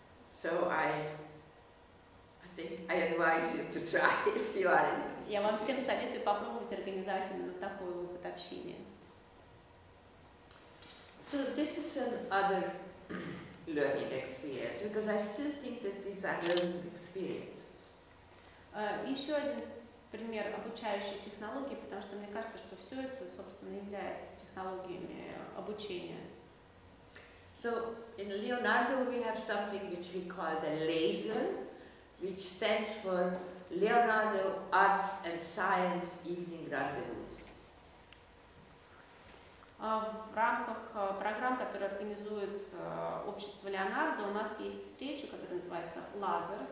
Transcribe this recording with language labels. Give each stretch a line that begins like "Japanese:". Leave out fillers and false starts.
English: So I think I advise you to try if you are interested.
Russian: Я вам всем советую попробовать организовать именно такой опыт общения.
English: So this is another learning experience, because I still think that these are learning experiences.
Russian: Еще один пример обучающей технологии, потому что мне кажется, что все это, собственно, является технологиями обучения.
English: So in Leonardo we have something which we call the LASER, which stands for Leonardo Arts and Science Evening Rendezvous.
Russian: В рамках программ, которые организует общество Леонардо, у нас есть встреча, которая называется LASER.